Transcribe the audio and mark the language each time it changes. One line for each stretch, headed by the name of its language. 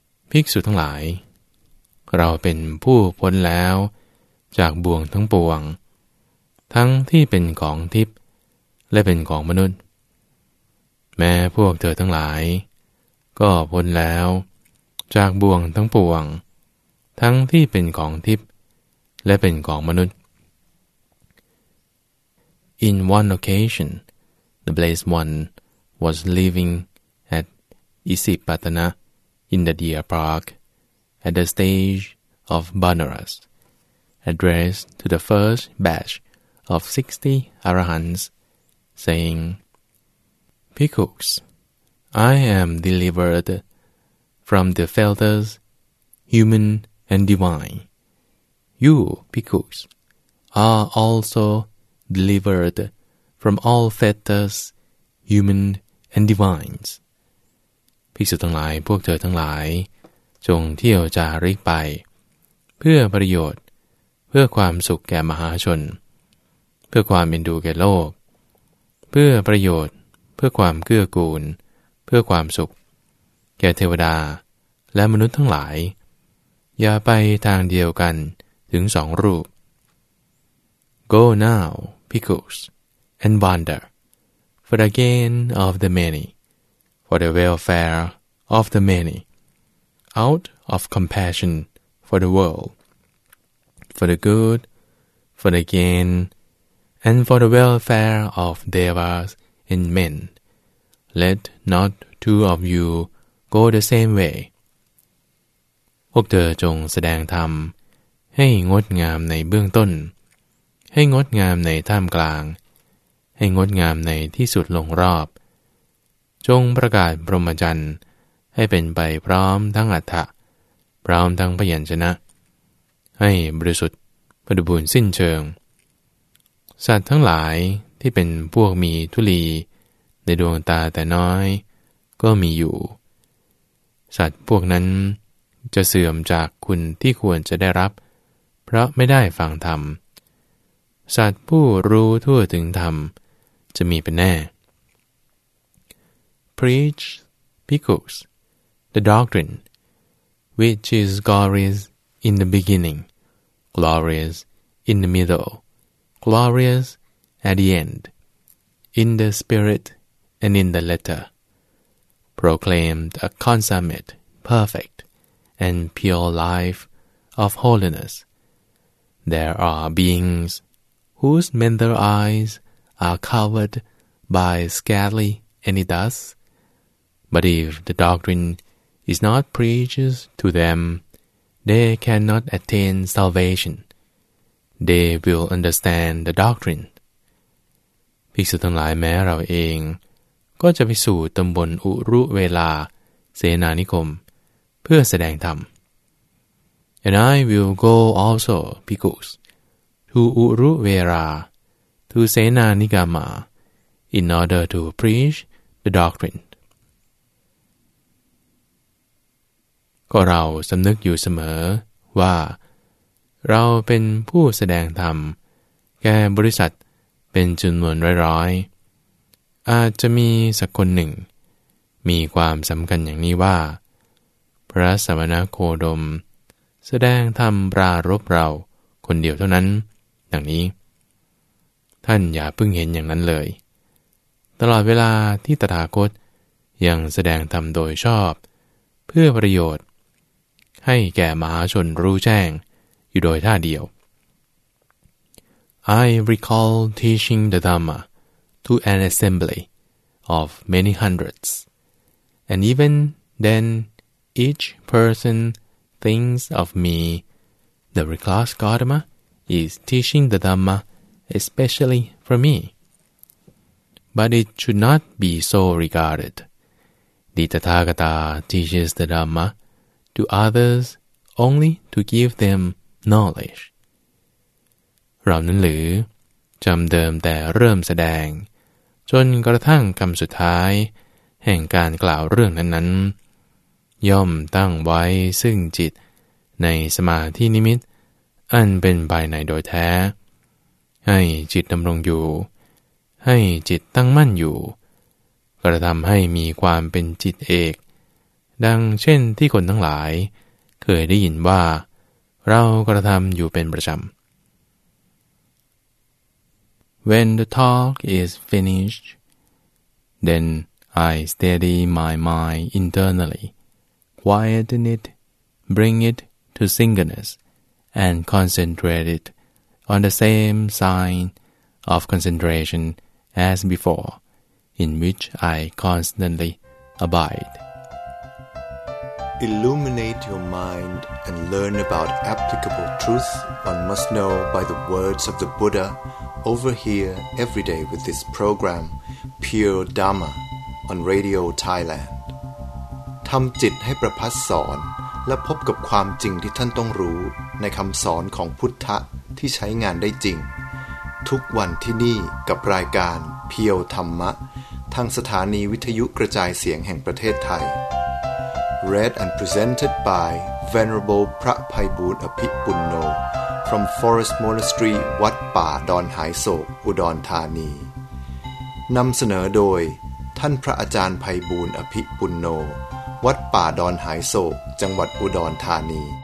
Thai: ภิกษุทั้งหลายเราเป็นผู้พ้นแล้วจากบ่วงทั้งปวงทั้งที่เป็นของทิพย์และเป็นของมนุษย์แม้พวกเธอทั้งหลายก็พ้นแล้วจากบ่วงทั้งปวงทั้งที่เป็นของทิพย์และเป็นของมนุษย์
English: In one occasion, the Blessed One was living at Isipatana in the deer park at the stage of Banaras. Addressed to the first batch of 60 arahants, saying, Bhikkhus, I am delivered from the filters, human and divine. You, Bhikkhus, are also delivered from all filters, human and divines.
Thai: ภิกษุทั้งหลายพวกเธอทั้งหลายจงเที่ยวจาริกไปเพื่อประโยชน์เพื่อความสุขแก่มหาชน เพื่อความเป็นดูแก่โลกเพื่อประโยชน์เพื่อความเกื้อกูลเพื่อความสุขแก่เทวดาและมนุษย์ทั้งหลาย อย่าไปทางเดียวกันถึงสองรูป
English: Go now, bhikkhus, and wander, for the gain of the many, for the welfare of the many, out of compassion for the world, for the good, for the gain, and for the welfare of devas and men. Let not two of you go the same way.
Thai: พวกเธอจงแสดงธรรมให้งดงามในเบื้องต้นให้งดงามในท่ามกลางให้งดงามในที่สุดลงรอบจงประกาศพรหมจรรย์ให้เป็นไปพร้อมทั้งอรรถพร้อมทั้งพยัญชนะให้บริสุทธิ์บริบูรณ์สิ้นเชิง สัตว์ทั้งหลายที่เป็นพวกมีทุลีในดวงตาแต่น้อยก็มีอยู่สัตว์พวกนั้นจะเสื่อมจากคุณที่ควรจะได้รับเพราะไม่ได้ฟังธรรมสัตว์ผู้รู้ทั่วถึงธรรมจะมีเป็นแน่
English: Preach, bhikkhus, the doctrine which is glorious in the beginning, glorious in the middle, glorious at the end, in the spirit and in the letter, proclaimed a consummate, perfect,and pure life of holiness. There are beings whose mental eyes are covered by scaly any dust, but if the doctrine is not preached to them, they cannot attain salvation. They will understand the doctrine.
Thai: ภิกษุทั้งหลายแม้เราเองก็จะไปสู่ตำบลอุรุเวลาเสนานิคมเพื่อแสดงธรรม
English: And I will go also, bhikkhus, to Uruvela, to Senanigama, in order to preach the doctrine.
Thai: ก็เราสำนึกอยู่เสมอว่าเราเป็นผู้แสดงธรรมแก่บริษัทเป็นจำนวนร้อยๆอาจจะมีสักคนหนึ่งมีความสำคัญอย่างนี้ว่าพระสมณโคดมแสดงธรรมปรารภเราคนเดียวเท่านั้นดังนี้ ท่านอย่าเพิ่งเห็นอย่างนั้นเลยตลอดเวลาที่ตถาคตยังแสดงธรรมโดยชอบเพื่อประโยชน์ให้แก่มหาชนรู้แจ้งอยู่โดยท่าเดียว
English: I recall teaching the Dhamma to an assembly of many hundreds and even thenEach person thinks of me. The reclus Gautama is teaching the Dhamma especially for me. But it should not be so regarded. The Tathagata teaches the Dhamma to others only to give them knowledge.
Thai: เรานั้นหรือจำเดิมแต่เริ่มแสดงจนกระทั่งคำสุดท้ายแห่งการกล่าวเรื่องนั้นๆย่อมตั้งไว้ซึ่งจิตในสมาธินิมิตอันเป็นภายในโดยแท้ให้จิตดำรงอยู่ให้จิตตั้งมั่นอยู่กระทำให้มีความเป็นจิตเอกดังเช่นที่คนทั้งหลายเคยได้ยินว่าเรากระทำอยู่เป็นประจำ
English: When the talk is finished then I steady my mind internallyquieten it, bring it to singleness, and concentrate it on the same sign of concentration as before, in which I constantly abide. Illuminate your mind and learn about applicable truth one must know by the words of the Buddha over here every day with this program, Pure Dharma, on Radio Thailand.
Thai: ทำจิตให้ประพัสสอนและพบกับความจริงที่ท่านต้องรู้ในคำสอนของพุทธะที่ใช้งานได้จริงทุกวันที่นี่กับรายการเพียวธรรมะ ทางสถานีวิทยุกระจายเสียงแห่งประเทศไทย
English: Read and presented by Venerable
Thai: พระไพบูลย์อภิปุณโญ
English: from Forest Monastery
Thai: วัดป่าดอนหายโศกอุดรธานีนำเสนอโดยท่านพระอาจารย์ไพบูลย์อภิปุณโญวัดป่าดอนหายโศกจังหวัดอุดรธานี